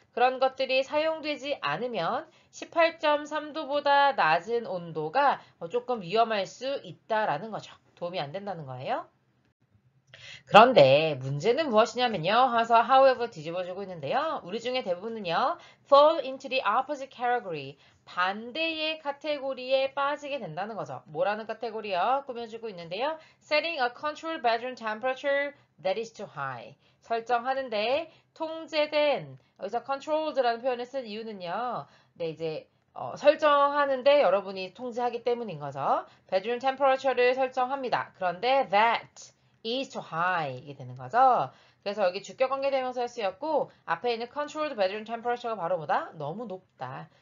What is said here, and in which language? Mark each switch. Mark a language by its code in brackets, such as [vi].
[ko] 그런 것들이 사용되지 않으면 18.3도보다 낮은 온도가 조금 위험할 수 있다라는 거죠. 도움이 안 된다는 거예요. 그런데 문제는 무엇이냐면요. 하서 however 뒤집어주고 있는데요. 우리 중에 대부분은요. [en] fall into the opposite category. [ko] 반대의 카테고리에 빠지게 된다는 거죠. 뭐라는 카테고리요? 꾸며주고 있는데요. [en] setting a controlled bedroom temperature that is too high. [ko] 설정하는데 통제된, 여기서 controlled라는 표현을 쓴 이유는요. 네, 이제 설정하는데 여러분이 통제하기 때문인 거죠. bedroom temperature를 설정합니다. 그런데 [en] that is too high [ko] 이게 되는 거죠. 그래서 여기 주격 관계대명사였고 앞에 있는 [en] controlled bedroom temperature [ko] 가 바로 뭐다? 너무 높다.